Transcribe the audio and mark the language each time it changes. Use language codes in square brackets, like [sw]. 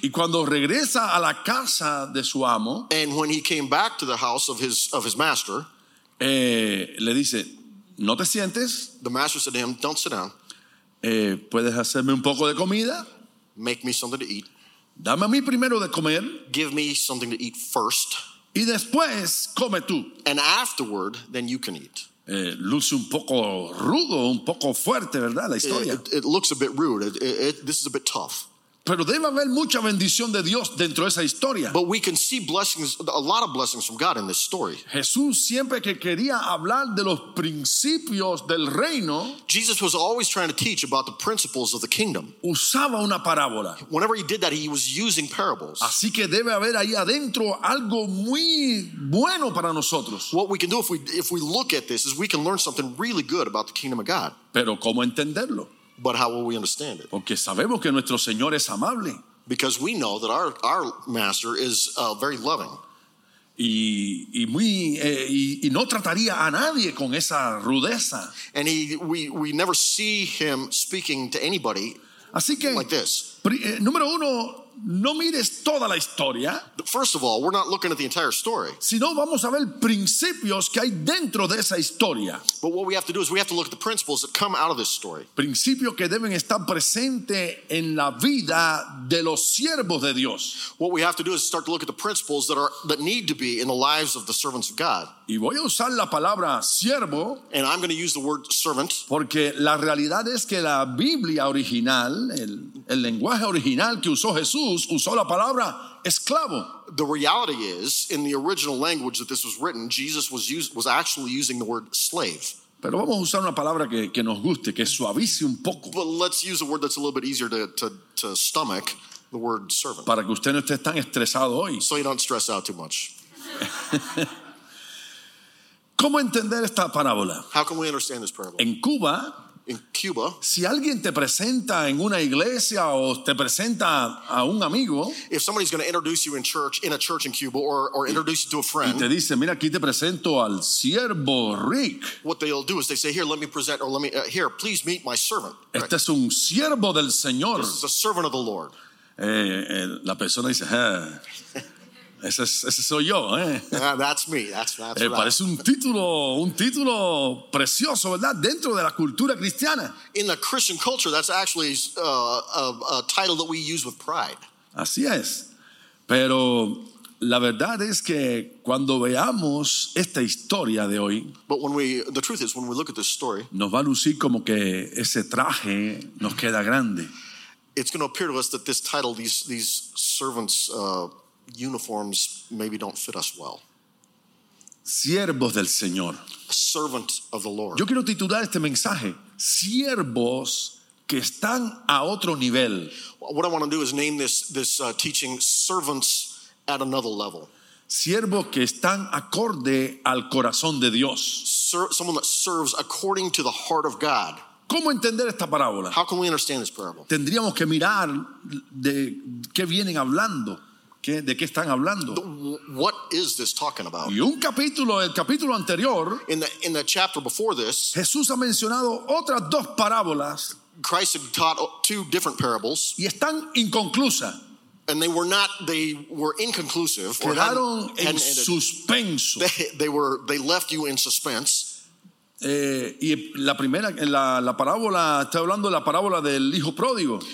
[es] Y cuando regresa a la casa de su amo. [en] And when he came back to the house of his master. [es] Le dice, no te sientes. [en] The master said to him, don't sit down. [es] ¿Puedes hacerme un poco de comida? [en] Make me something to eat. [es] Dame a mí primero de comer. [en] Give me something to eat first. [es] Y después, come tú. [en] And afterward, then you can eat. [es] Luce un poco rudo, un poco fuerte, ¿verdad? La historia. [en] It looks a bit rude. This is a bit tough. [es] Pero debe haber mucha bendición de Dios dentro de esa historia. [en] But we can see blessings, a lot of blessings from God in this story. [es] Jesús siempre que quería hablar de los principios del reino. [en] Jesus was always trying to teach about the principles of the kingdom. [es] Usaba una parábola. [en] Whenever he did that, he was using parables. [es] Así que debe haber ahí adentro algo muy bueno para nosotros. [en] What we can do if we look at this is we can learn something really good about the kingdom of God. [es] Pero ¿cómo entenderlo? [en] But how will we understand it? [es] Porque sabemos que nuestro Señor es amable. [en] Because we know that our master is very loving. [es] Y no trataría a nadie con esa rudeza. [en] And we never see him speaking to anybody. [es] Así que, [en] like this. [es] Número uno, no mires toda la historia. [en] First of all, we're not looking at the entire story. [es] Sino vamos a ver principios que hay dentro de esa historia. [en] But what we have to do is we have to look at the principles that come out of this story. [es] Principios que deben estar presentes en la vida de los siervos de Dios. [en] What we have to do is start to look at the principles that need to be in the lives of the servants of God. [es] Y voy a usar la palabra siervo. [en] And I'm going to use the word servant. [es] Porque la realidad es que la Biblia original, el lenguaje original que usó Jesús, usó la palabra esclavo. [en] The reality is, in the original language that this was written, Jesus was actually using the word slave. [es] Pero vamos a usar una palabra que nos guste, que suavice un poco. [en] But let's use a word that's a little bit easier to stomach, the word servant. [es] Para que usted no esté tan estresado hoy. [en] So you don't stress out too much. [es] ¿Cómo entender esta parábola? [en] How can we understand this parable? [es] En Cuba, [en] in Cuba, [es] si alguien te presenta en una iglesia o te presenta a un amigo, [en] if somebody's going to introduce you in a church in Cuba or introduce you to a friend, [es] y te dice, mira, aquí te presento al siervo Rick. [en] What they'll do is they say, here, let me present, or let me, here, please meet my servant. Right? [es] Este es un siervo del Señor. [en] This is a servant of the Lord. [es] La persona dice, Ese soy yo, ¿eh? [en] That's me. That's right. [es] Parece un título precioso, ¿verdad? Dentro de la cultura cristiana. [en] In the Christian culture, that's actually a title that we use with pride. [es] Así es. Pero la verdad es que cuando veamos esta historia de hoy, [en] but when the truth is, when we look at this story, [es] nos va a lucir como que ese traje nos queda grande. [en] It's going to appear to us that this title, these servants' uniforms maybe don't fit us well. [es] Siervos del Señor. [en] A servant of the Lord. [es] Yo quiero titular este mensaje, Siervos que están a otro nivel. [en] What I want to do is name this teaching, Servants at Another Level. [es] Siervos que están acorde al corazón de Dios. [en] Someone that serves according to the heart of God. [es] ¿Cómo entender esta parábola? [en] How can we understand this parable? [es] Tendríamos que mirar de qué vienen hablando. ¿De qué están hablando? [en] What is this talking about? [es] Y un capítulo, el capítulo anterior, [en] in the chapter before this, [es] Jesús ha mencionado otras dos parábolas. [en] Christ had taught two different parables. [es] Y están inconclusas. [en] And they were inconclusive. [es] Quedaron en suspenso. [en] They left you in suspense. [es] Y la primera, la parábola, está hablando de la parábola del hijo pródigo.